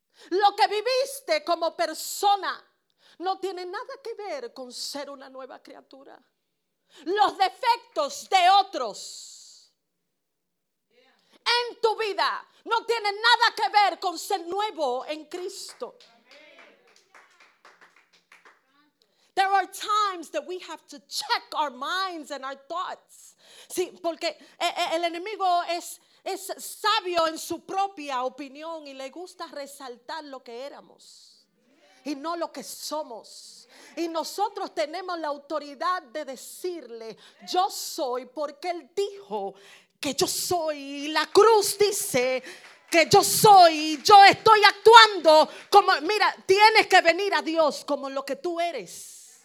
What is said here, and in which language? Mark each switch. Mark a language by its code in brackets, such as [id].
[es] Lo que viviste como persona no tiene nada que ver con ser una nueva criatura. Los defectos de otros en tu vida no tiene nada que ver con ser nuevo en Cristo. [en] There are times that we have to check our minds and our thoughts. [es] Sí, porque el enemigo es sabio en su propia opinión y le gusta resaltar lo que éramos y no lo que somos. Y nosotros tenemos la autoridad de decirle yo soy, porque él dijo que yo soy, y la cruz dice que yo soy, y yo estoy actuando como, mira, tienes que venir a Dios como lo que tú eres.